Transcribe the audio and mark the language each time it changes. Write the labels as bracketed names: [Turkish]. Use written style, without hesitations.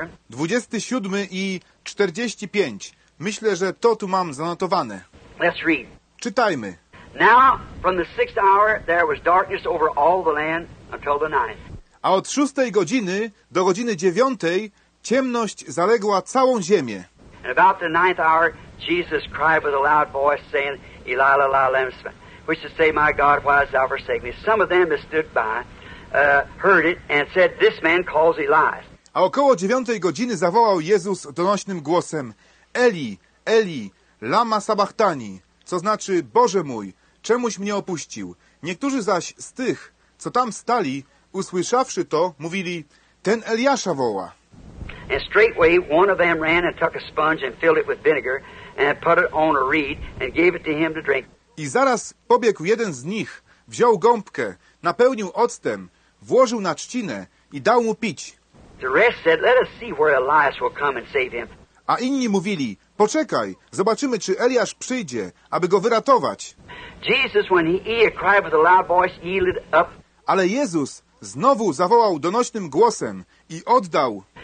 [Polish] 27 i 45. Myślę, że to tu mam zanotowane. [English] Let's read. [Polish] Czytajmy. [English] Now, from the sixth hour, there was darkness over all the land until the ninth. [Polish] A od 6 godziny do godziny 9 ciemność zaległa całą ziemię. [English] And about the ninth hour, Jesus cried with a loud voice, saying, [Aramaic] Eli, Eli, lama sabachthani, [English] which is to say, my God, why hast thou forsaken me? Some of them that stood by heard it and said, this man calls Elias. [Polish] A około 9 godziny zawołał Jezus donośnym głosem, [Aramaic] Eli, Eli, lama sabachthani, [Polish] co znaczy, Boże mój, czemuś mnie opuścił. Niektórzy zaś z tych, co tam stali, usłyszawszy to, mówili, ten Eliasza woła. [English] And straightway one of them ran and took a sponge and filled it with vinegar and put it on a reed and gave it to him to drink. [Polish] I zaraz pobiegł jeden z nich, wziął gąbkę, napełnił octem, włożył na trzcinę i dał mu pić. [English] The rest said, let us see where Elias will come and save him. [Polish] A inni mówili, poczekaj, zobaczymy, czy Eliasz przyjdzie, aby go wyratować. [English] Jesus, when he had cried with a loud voice, yielded up. [Polish] Ale Jezus znowu zawołał donośnym głosem i oddał.